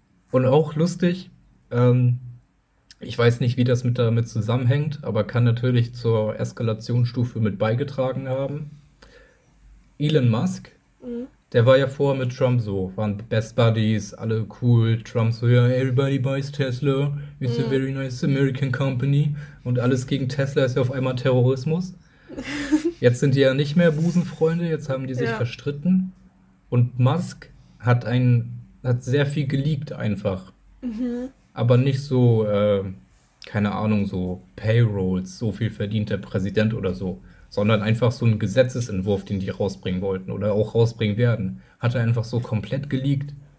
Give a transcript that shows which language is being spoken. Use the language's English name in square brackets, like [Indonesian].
[German] Und auch lustig, ich weiß nicht, wie das mit damit zusammenhängt, aber kann natürlich zur Eskalationsstufe mit beigetragen haben. Elon Musk, der war ja vorher mit Trump so, waren Best Buddies, alle cool. [English] Trump so, ja, everybody buys Tesla, it's a very nice American company. [German] Und alles gegen Tesla ist ja auf einmal Terrorismus. Jetzt sind die ja nicht mehr Busenfreunde, jetzt haben die sich Ja. verstritten. Und Musk hat sehr viel geleakt einfach. Aber nicht so, keine Ahnung, so Payrolls, so viel verdient der Präsident oder so, sondern einfach so einen Gesetzesentwurf, den die rausbringen wollten oder auch rausbringen werden, hat er einfach so komplett geleakt.